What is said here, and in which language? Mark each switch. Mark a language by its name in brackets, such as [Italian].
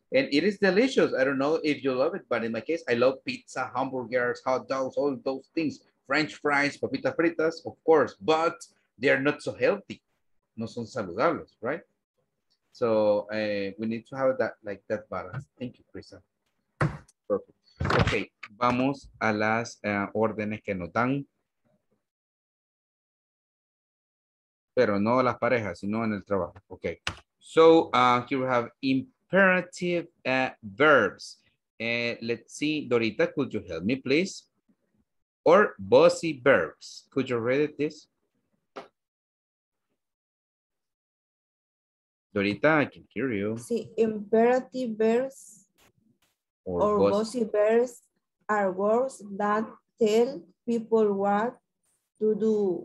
[English] And it is delicious. I don't know if you love it, but in my case, I love pizza, hamburgers, hot dogs, all those things. French fries, [Spanish] papitas fritas, [English] of course, but they are not so healthy. [Spanish] No son saludables, [English] right? So we need to have that, like that balance. Thank you, Krista. Perfect. [Spanish] Okay, vamos a las órdenes que nos dan. Pero no las parejas, sino en el trabajo. [English] Okay. So here we have imperative verbs. Let's see, Dorita, could you help me, please? Or bossy verbs. Could you read it, this? Dorita, I can hear you. Sí, imperative verbs or bossy verbs are words that tell people what to do.